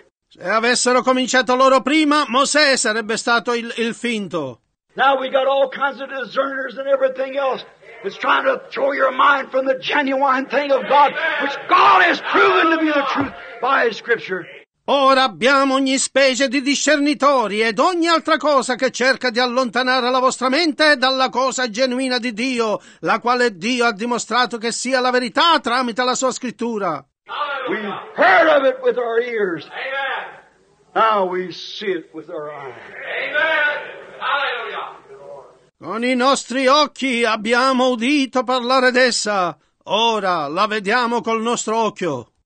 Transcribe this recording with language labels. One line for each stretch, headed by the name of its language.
Italian: Se avessero cominciato loro prima, Mosè sarebbe stato il finto.
English: Now we got all kinds of discerners and everything else. It's trying to throw your mind from the genuine thing of God, which God has proven to be the truth by His Scripture.
Italian: Ora abbiamo ogni specie di discernitori ed ogni altra cosa che cerca di allontanare la vostra mente dalla cosa genuina di Dio, la quale Dio ha dimostrato che sia la verità tramite la sua scrittura.
English: We've heard of it with our ears. Amen. Now we see it with our eyes.
Italian: Amen. Alleluia. Con i nostri occhi abbiamo udito parlare d'essa. Ora la vediamo col nostro occhio.